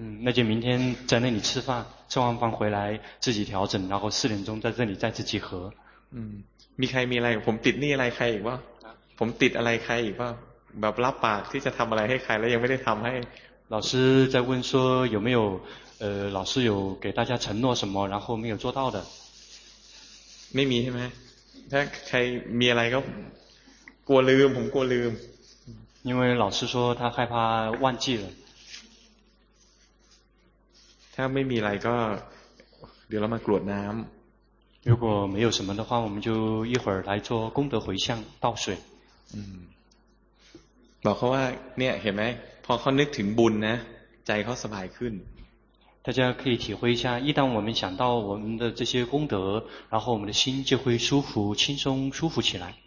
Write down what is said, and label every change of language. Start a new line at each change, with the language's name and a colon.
Chinese: 那就明天在那里吃饭吃完饭回来自己调整然后4点在这里再次集合
Thai: มีใครมีอะไรผมติดหนี้อะไรใครอีกว่าผมติดอะไรใครอีกว่าแบบรับปากที่จะทำอะไรให้ใครแล้วยังไม่ได้ทำให้
Chinese: 老师在问说有没有老师有给大家承诺什么然后没有做到的
Thai: ไม่มีใช่ไหมถ้าใครมีอะไรก็กลัวลืมผมกลัวลืม
Chinese: 因为老师说他害怕忘记了
Thai: ถ้าไม่มีอะไรก็เดี๋ยวเรามากรวดน้ำ
Chinese: 如果没有什么的话我们就一会儿来做功德回向倒水
Thai: บอกเขาว่าเนี่ยเห็นไหมพอเขานึกถึงบุญนะใจเขาสบายขึ้น
Chinese: 大家可以体会一下一旦我们想到我们的这些功德然后我们的心就会舒服轻松舒服起来